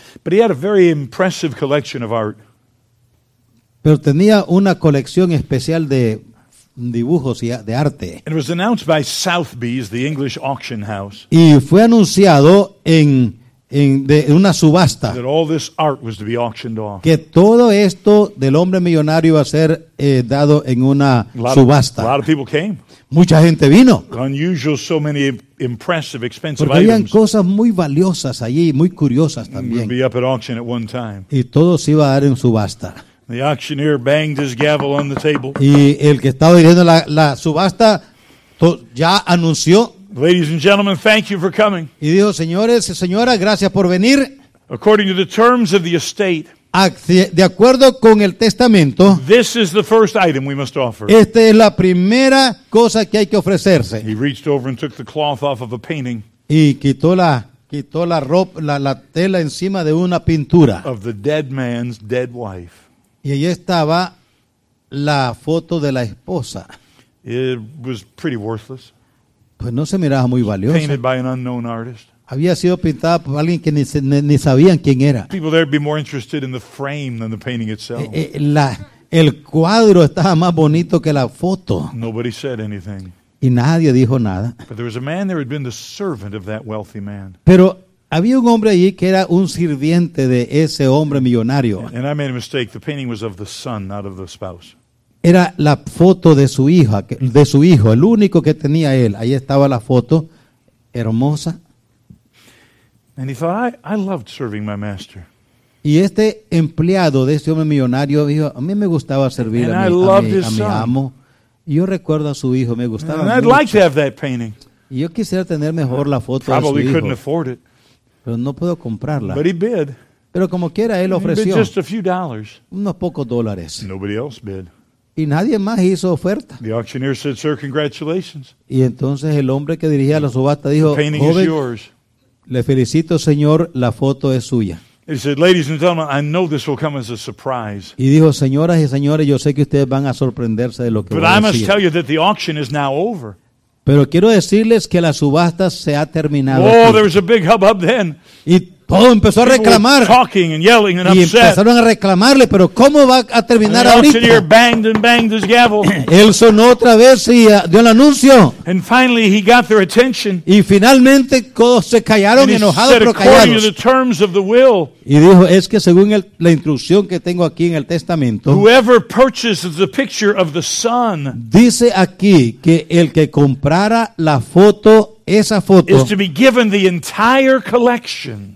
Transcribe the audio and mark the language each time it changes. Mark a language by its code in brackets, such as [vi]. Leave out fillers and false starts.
[en] But he had a very impressive collection of art. [es] Pero tenía una colección especial de dibujos y de arte. [en] It was announced by Sotheby's, the English auction house. [es] Y fue anunciado en de una subasta. [en] That all this art was to be auctioned off. [es] Que todo esto del hombre millonario va a ser dado en una subasta. [en] A lot of people came. [es] Mucha gente vino. [en] Unusual, so many impressive, expensive [es] Porque habían [en] items. [es] Cosas muy valiosas allí, muy curiosas también. [en] Be up at auction at one time. [es] Y todo se iba a dar en subasta. [en] The auctioneer banged his gavel on the table. [es] Y el que estaba dirigiendo la subasta ya anunció. [en] Ladies and gentlemen, thank you for coming. [es] Y dijo, señores y señoras, gracias por venir. [en] According to the terms of the estate, [es] de acuerdo con el testamento, [en] this is the first item we must offer. [es] Esta es la primera cosa que hay que ofrecerse. [en] He reached over and took the cloth off of a painting. [es] Y quitó la ropa, la tela encima de una pintura. [en] Of the dead man's dead wife. [es] Y ahí estaba la foto de la esposa. [en] It was pretty worthless. [es] Pues no se miraba muy valiosa. [en] Painted by an unknown artist. [es] Había sido pintada por alguien que ni sabían quién era. [en] People there would be more interested in the frame than the painting itself. [es] El cuadro estaba más bonito que la foto. [en] Nobody said anything. [es] Y nadie dijo nada. [en] But there was a man there who had been the servant of that wealthy man. [es] Pero había un hombre allí que era un sirviente de ese hombre millonario. [en] And I made a mistake. The painting was of the son, not of the spouse. [es] Era la foto de su hija, de su hijo, el único que tenía él. Ahí estaba la foto, hermosa. [en] And he thought, I loved serving my master. [es] Y este empleado de ese hombre millonario dijo, a mí me gustaba servir a mi amo. Y yo recuerdo a su hijo, me gustaba mucho. [en] And I'd like to have that painting. [es] Y yo quisiera tener mejor la foto [en] probably [es] de su hijo. [en] Couldn't afford it. [es] Pero no puedo comprarla. [en] But he bid. [es] Pero como quiera, él ofreció. [en] He bid just a few dollars. [es] Unos pocos dólares. [en] Nobody else bid. [es] Y nadie más hizo oferta. [en] The auctioneer said, sir, congratulations. [es] Y entonces el hombre que dirigía la subasta dijo, joven, le felicito, señor, la foto es suya. [en] He said, ladies and gentlemen, I know this will come as a surprise. [es] Y dijo, señoras y señores, yo sé que ustedes van a sorprenderse de lo que voy a decir. [en] But I must tell you that the auction is now over. [es] Pero quiero decirles que la subasta se ha terminado. [en] Oh, there was a big hubbub then. [es] Y todo empezó a reclamar. [en] Talking and yelling and [es] y empezaron [en] upset. [es] A reclamarle, pero ¿cómo va a terminar [en] and [es] ahorita? [en] Auctioneer banged and banged his gavel. [es] Él sonó otra vez y dio el anuncio. [en] And finally he got their attention. [es] Y finalmente todos se callaron [en] and [es] enojados [en] said, [es] pero callados. [en] According to the terms of the will, [es] y dijo, es que según la instrucción que tengo aquí en el testamento, [en] whoever purchases the picture of the son, [es] dice aquí que el que comprara la foto esa foto, [en] is to be given the entire collection.